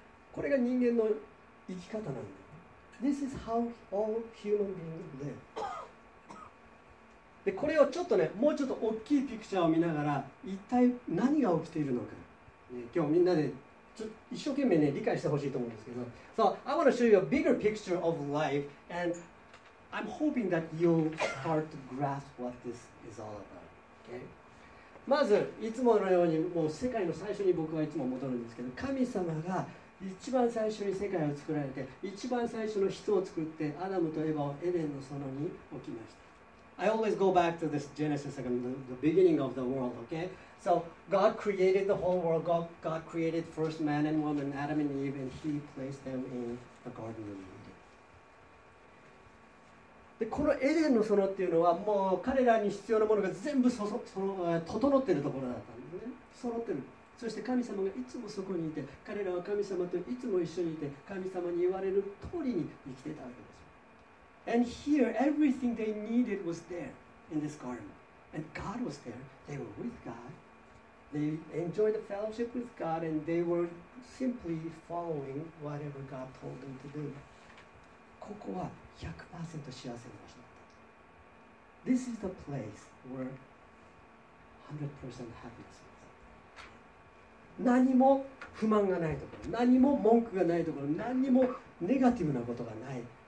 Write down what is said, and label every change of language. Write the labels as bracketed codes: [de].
[ja] これが人間の生き方なんだよ。 [en] This is how all human beings live. [ja] で、これをちょっとね、もうちょっと大きいピクチャーを見ながら、一体何が起きているのか、ね、今日みんなでちょ一生懸命ね、理解してほしいと思うんですけど。 [en] So, I want to show you a bigger picture of life, and I'm hoping that you'll start to grasp what this is all about. Okay? [ja] まず、いつものように、もう世界の最初に僕はいつも戻るんですけど、神様が、一番最初に世界を作られて、一番最初の人を作って、アダムとエヴァをエデンの園に置きました。 [en] I always go back to this Genesis, the beginning of the world, okay? So, God created the whole world. God created first man and woman, Adam and Eve, and He placed them in the Garden of Eden. [ja] で、このエデンの園っていうのは、もう彼らに必要なものが全部整っているところだったんですね。揃ってる。そして神様がいつもそこにいて、彼らは神様といつも一緒にいて、神様に言われる通りに生きてたわけです。 [en] And here, everything they needed was there in this garden. And God was there. They were with God. They enjoyed the fellowship with God, and they were simply following whatever God told them to do. [ja] ここは 100% 幸せな場所だった。 [en] This is the place where 100% happiness is. [ja] 何も不満がないところ、何も文句がないところ、何もネガティブなことがない。